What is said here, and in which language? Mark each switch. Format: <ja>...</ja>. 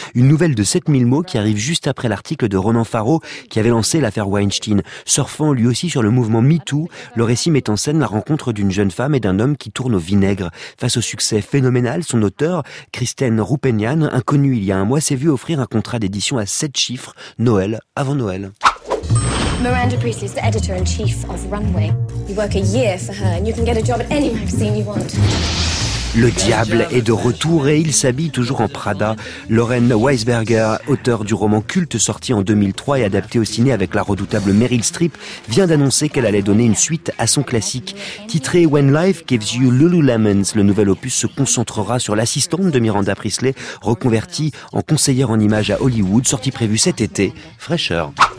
<fr>Une nouvelle de 7000 mots qui arrive juste après l'article de Ronan Farrow qui avait lancé l'affaire Weinstein. Surfant lui aussi sur le mouvement MeToo, le récit met en scène la rencontre d'une jeune femme et d'un homme qui tourne au vinaigre. Face au succès phénoménal, son auteur, Kristen Rupenian, inconnue il y a un mois, s'est vu offrir un contrat d'édition à 7 chiffres, Noël avant Noël.</fr> <en>Miranda Priestley is the editor-in-chief of Runway. You work a year for her and you can get a job at any magazine you want.</en> <fr>Le diable est de retour et il s'habille toujours en Prada. Lauren Weisberger, auteure du roman culte sorti en 2003 et adapté au ciné avec la redoutable Meryl Streep, vient d'annoncer qu'elle allait donner une suite à son classique. Titré When Life Gives You Lululemons, le nouvel opus se concentrera sur l'assistante de Miranda Priestley, reconvertie en conseillère en images à Hollywood, sortie prévue cet été. Fraîcheur.</fr>